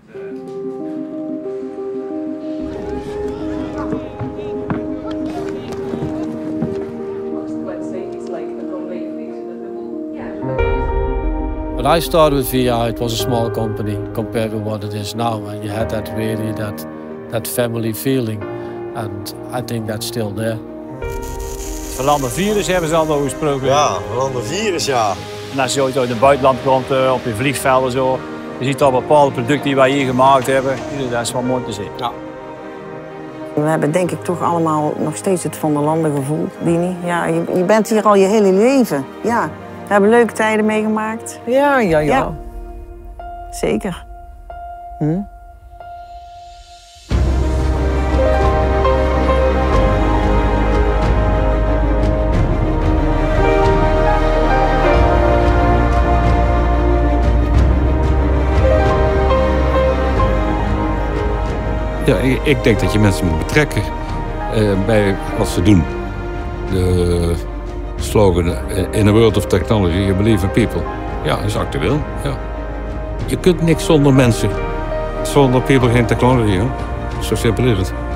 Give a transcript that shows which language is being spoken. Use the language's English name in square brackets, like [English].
[English] When I started with VR, it was a small company compared to what it is now, and you had that really that family feeling, and I think that's still there. [Dutch] Verlander virus hebben ze al over gesproken. Ja, Verlander virus, ja. En als je ooit in het buitenland komt, op je vliegveld en zo, je ziet al bepaalde producten die wij hier gemaakt hebben. Dat is wel mooi te zien. Ja. We hebben denk ik toch allemaal nog steeds het Van der Landen gevoel, Dini. Ja, je bent hier al je hele leven. Ja, we hebben leuke tijden meegemaakt. Ja, ja, ja. Ja. Zeker. Ja, ik denk dat je mensen moet betrekken bij wat ze doen. [English] De slogan, in a world of technology, you believe in people. [Dutch] Ja, is actueel, ja. Je kunt niks zonder mensen. Zonder people geen technology, hoor. Zo simpel is het.